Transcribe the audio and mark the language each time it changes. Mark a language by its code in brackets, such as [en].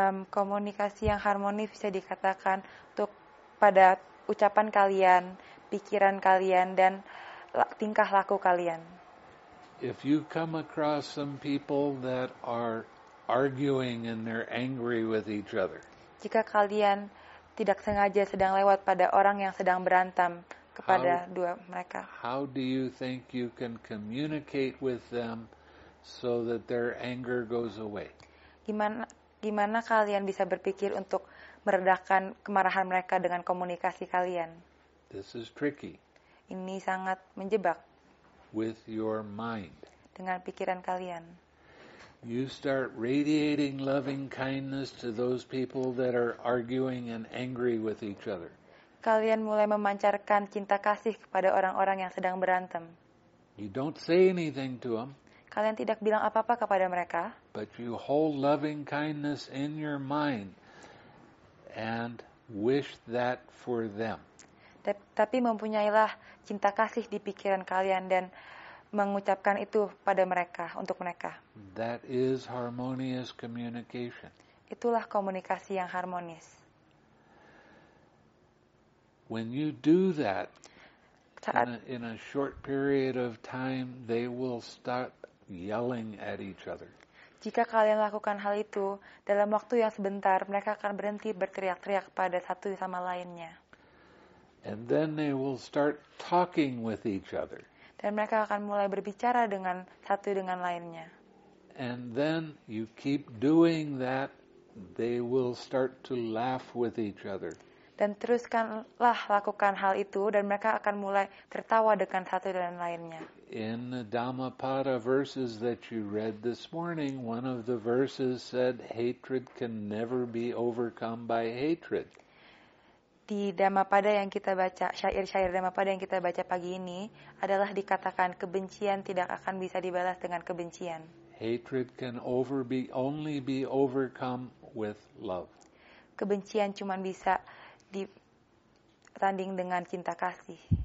[id] Komunikasi yang harmonis bisa dikatakan untuk pada ucapan kalian, pikiran kalian, dan tingkah laku kalian. [en] If you come across some people that are arguing and they're angry with each other. [id] Jika kalian tidak sengaja sedang lewat pada orang yang sedang berantem kepada dua mereka. [en] How do you think you can communicate with them so that their anger goes away? [id] Gimana kalian bisa berpikir untuk meredakan kemarahan mereka dengan komunikasi kalian? [en] This is tricky. [id] Ini sangat menjebak. [en] With your mind. [id] Dengan pikiran kalian. [en] You start radiating loving kindness to those people that are arguing and angry with each other. [id] Kalian mulai memancarkan cinta kasih kepada orang-orang yang sedang berantem. [en] You don't say anything to them. [id] Kalian tidak bilang apa-apa kepada mereka. [en] But you hold loving kindness in your mind and wish that for them. [id] Tapi mempunyailah cinta kasih di pikiran kalian dan mengucapkan itu pada mereka, untuk mereka. [en] That is harmonious communication. [id] Itulah komunikasi yang harmonis. [en] When you do that, in a short period of time, they will start yelling at each other. [id] Jika kalian lakukan hal itu, dalam waktu yang sebentar, mereka akan berhenti berteriak-teriak pada satu sama lainnya. [en] And then they will start talking with each other. [id] Dan mereka akan mulai berbicara dengan satu dengan lainnya. [en] And then you keep doing that, they will start to laugh with each other. [id] Dan teruskanlah lakukan hal itu dan mereka akan mulai tertawa dengan satu dengan lainnya. [en] In the Dhammapada verses that you read this morning, one of the verses said hatred can never be overcome by hatred. [id] Di Dhammapada yang kita baca, syair-syair Dhammapada yang kita baca pagi ini adalah dikatakan kebencian tidak akan bisa dibalas dengan kebencian. [en] Hatred can only be overcome with love. [id] Kebencian cuma bisa ditanding dengan cinta kasih.